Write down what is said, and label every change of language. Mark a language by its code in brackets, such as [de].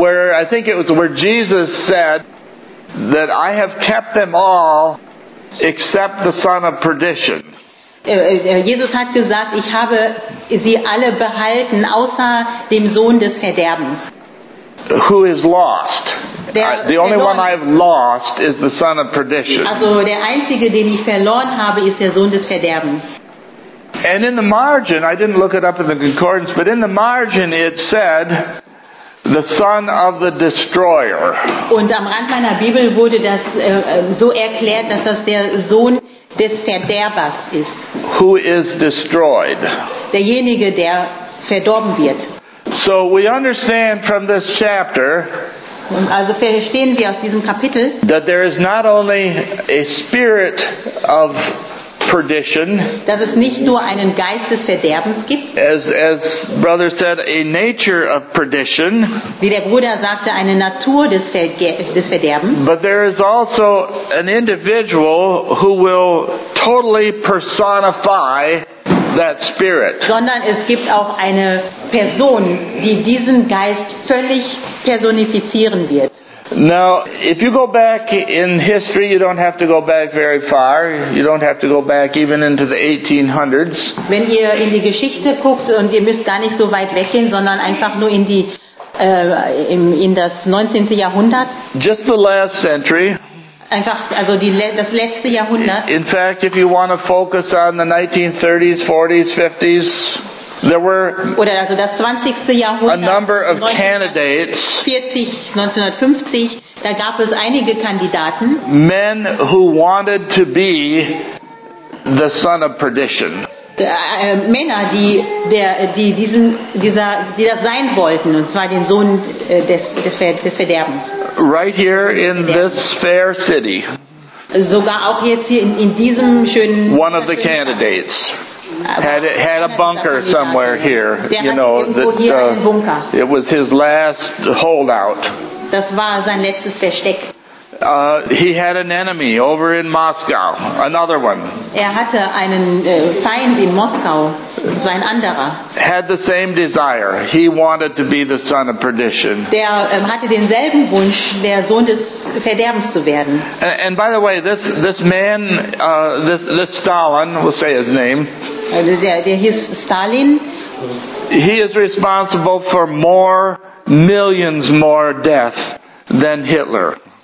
[en] Where I think it was where Jesus said that I have kept them all except the son of perdition. [de] Jesus hat gesagt, ich habe sie alle behalten außer dem Sohn des Verderbens. [en] Who is lost? The only one I've lost is the son of perdition. [de] Also der einzige, den ich verloren habe, ist der Sohn des Verderbens. [en] And in the margin, I didn't look it up in the concordance, but in the margin it said, the son of the destroyer. [de] Und am Rand meiner Bibel wurde das so erklärt, dass das der Sohn des Verderbers ist. [en] Who is destroyed. [de] Derjenige, der verdorben wird. [en] So we understand from this chapter, [de] also verstehen wir aus diesem Kapitel, [en] that there is not only a spirit of perdition, [de] dass es nicht nur einen Geist des Verderbens gibt, [en] as brother said, a nature of perdition, [de] wie der Bruder sagte, eine Natur des Verderbens, [en] but there is also an individual who will totally personify that spirit. [de] Sondern es gibt auch eine Person, die diesen Geist völlig personifizieren wird. [en] Now, if you go back in history, you don't have to go back very far. You don't have to go back even into the 1800s. [de] Wenn ihr in die Geschichte guckt und ihr müsst gar nicht so weit weggehen, sondern einfach nur in das 19. Jahrhundert. [en] Just the last century. [de] Einfach, also das letzte Jahrhundert. [en] In fact, if you want to focus on the 1930s, 40s, 50s, there were a number of candidates, [de] 1950, da gab es einige Kandidaten, [en] men who wanted to be the son of perdition. [de] Männer, die das sein wollten, und zwar den Sohn des Verderbens. [en] Right here in this fair city. [de] Sogar auch jetzt hier in diesem schönen. [en] One of the candidates. Had a bunker somewhere here, you know, it was his last holdout. [de] Das war sein letztes Versteck. [en] He had an enemy over in Moscow, another one. [de] Er hatte einen Feind in Moskau, so ein anderer. [en] Had the same desire. He wanted to be the son of perdition. [de] Der hatte denselben Wunsch, der Sohn des Verderbens zu werden. [en] And by the way, this man, this Stalin, we'll say his name. [de] Der hieß Stalin. [en] He is responsible for more, millions more death than Hitler.